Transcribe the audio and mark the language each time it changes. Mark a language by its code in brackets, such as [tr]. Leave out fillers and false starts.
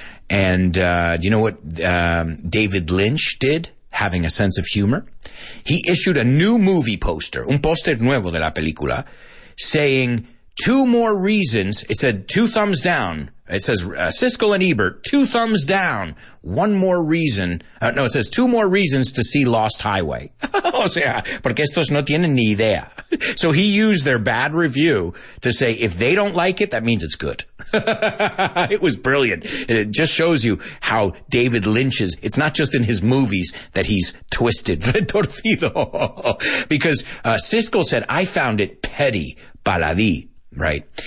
[en] And do you know what David Lynch did? Having a sense of humor. He issued a new movie poster, [es] un póster nuevo de la película, [en] saying two more reasons. It said two thumbs down. It says Siskel and Ebert, two thumbs down. One more reason. No, it says two more reasons to see Lost Highway. [es] O sea, porque estos no tienen ni idea. [en] So he used their bad review to say, if they don't like it, that means it's good. It was brilliant. It just shows you how David Lynch is. It's not just in his movies that he's twisted, retorcido. Because Siskel said, I found it petty, baladí. Right.